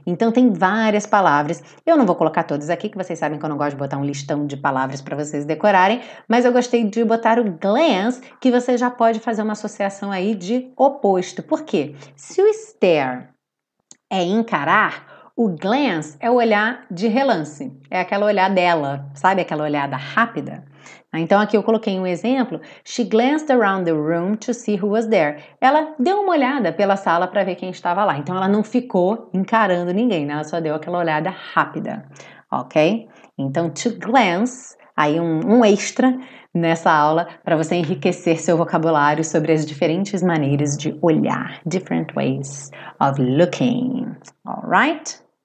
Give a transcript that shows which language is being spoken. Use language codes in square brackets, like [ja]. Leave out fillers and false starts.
[pt] Então tem várias palavras. Eu não vou colocar todas aqui, que vocês sabem que eu não gosto de botar um listão de palavras para vocês decorarem, mas eu gostei de botar o glance, que você já pode fazer uma associação aí de oposto. Por quê? Se o stare é encarar, o glance é o olhar de relance, é aquela olhar dela, sabe? Aquela olhada rápida. Então, aqui eu coloquei um exemplo. [en] She glanced around the room to see who was there. [pt] Ela deu uma olhada pela sala para ver quem estava lá. Então, ela não ficou encarando ninguém, né? Ela só deu aquela olhada rápida. Ok? Então, to glance, aí um extra nessa aula para você enriquecer seu vocabulário sobre as diferentes maneiras de olhar, [en] different ways of looking, all right?